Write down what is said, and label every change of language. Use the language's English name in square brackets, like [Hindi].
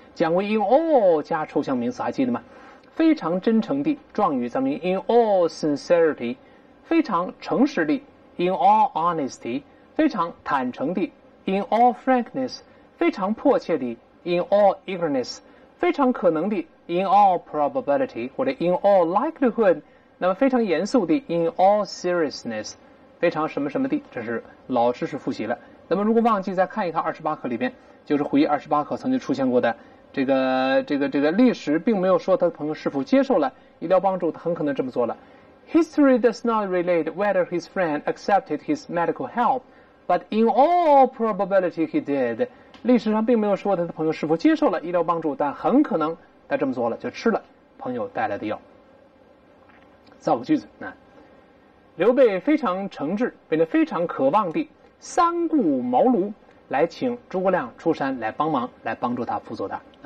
[Chinese] 讲过 in all 加抽象名词，还记得吗？非常真诚地，状语咱们 in all sincerity， 非常诚实地 in all honesty， 非常坦诚地 in all frankness， 非常迫切地 in all eagerness， 非常可能地 in all probability 或者 in all likelihood， 那么非常严肃地 in all seriousness， 非常什么什么地，这是老知识复习了。那么如果忘记再看一看28课里边，就是回忆28课曾经出现过的这个历史，并没有说他的朋友是否接受了医疗帮助，他很可能这么做了。 [English] History does not relate whether his friend accepted his medical help, but in all probability he did. [Chinese] 历史上并没有说他的朋友是否接受了医疗帮助，但很可能他这么做了，就吃了朋友带来的药。造个句子，刘备非常诚挚，并且非常渴望地三顾茅庐，来请诸葛亮出山来帮忙，来帮助他辅佐他。